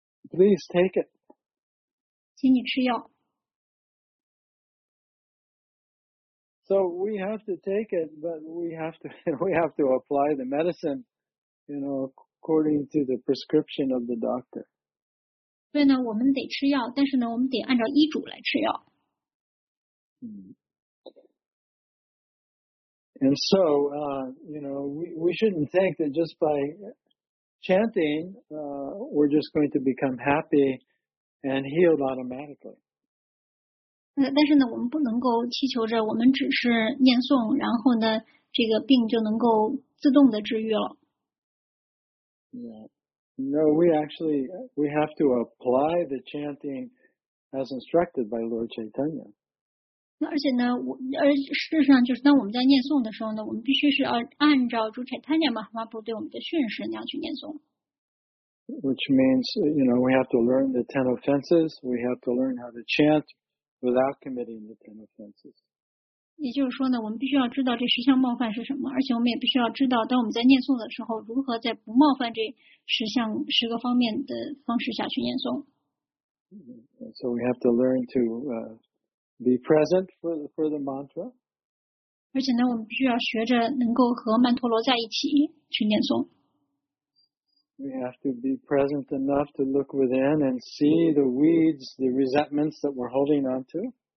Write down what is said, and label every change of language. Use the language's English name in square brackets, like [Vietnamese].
[English] Please take it. [Chinese] 请你吃药。 [English] So we have to take it, but we have to apply the medicine, you know, according to the prescription of the doctor. [Chinese] 对呢，我们得吃药，但是呢，我们得按照医嘱来吃药。 [English] And so, you know, we shouldn't think that just by chanting, we're just going to become happy and healed automatically. [Chinese] 但是呢，我们不能够祈求着，我们只是念诵，然后呢，这个病就能够自动的治愈了。 [English] No, we have to apply the chanting as instructed by Lord Chaitanya. [Chinese] 那而且呢，事实上就是当我们在念诵的时候呢，我们必须是要按照主 Chaitanya Mahaprabhu 对我们的训示那样去念诵。 [English] Which means, you know, we have to learn the 10 offenses. We have to learn how to chant. Without committing the 10 offenses. [Chinese] 也就是说呢，我们必须要知道这十项冒犯是什么，而且我们也必须要知道，当我们在念诵的时候，如何在不冒犯这十项十个方面的方式下去念诵。 [English] So we have to learn to be present for the mantra. [Chinese] 而且呢，我们必须要学着能够和曼陀罗在一起去念诵。 [English] We have to be present enough to look within and see the weeds, the resentments that we're holding on to.